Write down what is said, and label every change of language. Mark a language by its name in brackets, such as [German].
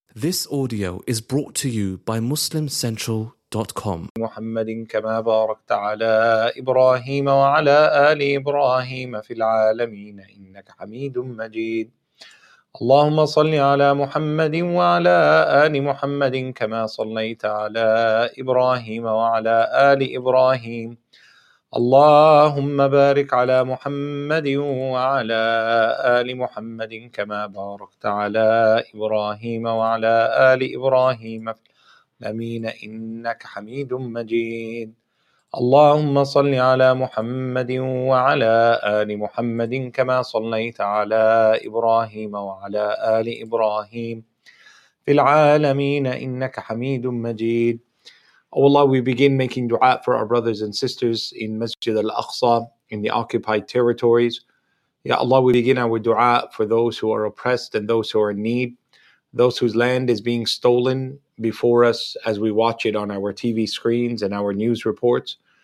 [English] This audio is brought to you by MuslimCentral.com. [Arabic] محمد كما باركت على إبراهيم وعلى آل إبراهيم في العالمين إنك حميد مجيد. اللهم صل على محمد وعلى آل محمد كما صليت على إبراهيم وعلى آل إبراهيم. اللهم بارك على محمد وعلى آل محمد كما باركت على إبراهيم وعلى آل إبراهيم في العالمين إنك حميد مجيد. اللهم صل على محمد وعلى آل محمد كما صليت على إبراهيم وعلى آل إبراهيم في العالمين إنك حميد مجيد. [English] Oh Allah, we begin making dua for our brothers and sisters in Masjid al-Aqsa, in the occupied territories. Ya Allah, we begin our dua for those who are oppressed and those who are in need, those whose land is being stolen before us as we watch it on our TV screens and our news reports.